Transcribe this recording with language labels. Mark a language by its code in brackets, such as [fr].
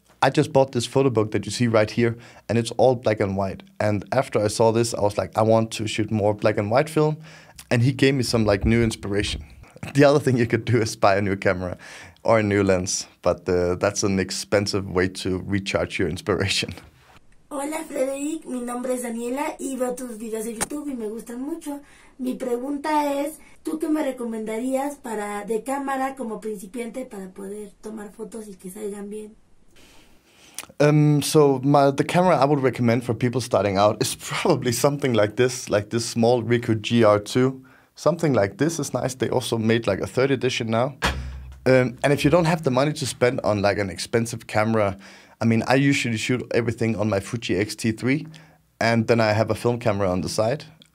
[en] I just bought this photo book that you see right here, and it's all black and white. And after I saw this, I was like, I want to shoot more black and white film. And he gave me some like new inspiration. The other thing you could do is buy a new camera or a new lens, but that's an expensive way to recharge your inspiration. [es] Hola, Frederick. Mi nombre es Daniela y veo tus videos de YouTube y me gustan mucho. Mi pregunta es, ¿tú qué me recomendarías para de cámara como principiante para poder tomar fotos y que salgan bien? [en] So the camera I would recommend for people starting out is probably something like this small Ricoh GR2. Something like this is nice. They also made like a third edition now. And if you don't have the money to spend on like an expensive camera, I mean, I usually shoot everything on my Fuji X-T3 and then I have a film camera on the side.